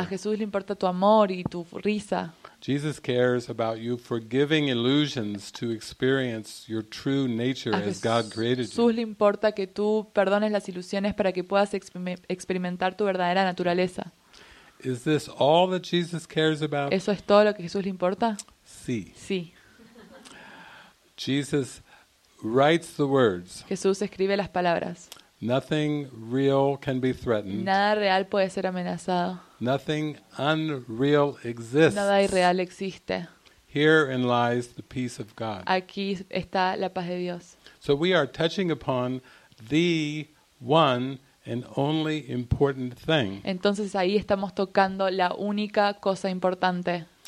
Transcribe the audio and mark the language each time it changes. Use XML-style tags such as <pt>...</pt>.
<es>¿A Jesús le importa tu amor y tu risa?</es> <en>Jesus cares about you forgiving illusions to experience your true nature as God created you.</en> <es>¿A Jesús le importa que tú perdones las ilusiones para que puedas experimentar tu verdadera naturaleza?</es> <en>Is this all that Jesus cares about?</en> <es>¿Eso es todo lo que Jesús le importa? Sí. Sí.</es> <en>Jesus writes the words.</en> <es>Jesús escribe las palabras.</es> <en>Nothing real can be threatened.</en> <es>Nada real puede ser amenazado.</es> <en>Nothing unreal exists.</en> <es>Nada irreal existe.</es> <en>Herein lies the peace of God.</en> <es>Aquí está la paz de Dios.</es> <en>So we are touching upon the one and only important thing.</en> <es>Entonces ahí estamos tocando la única cosa importante.</es>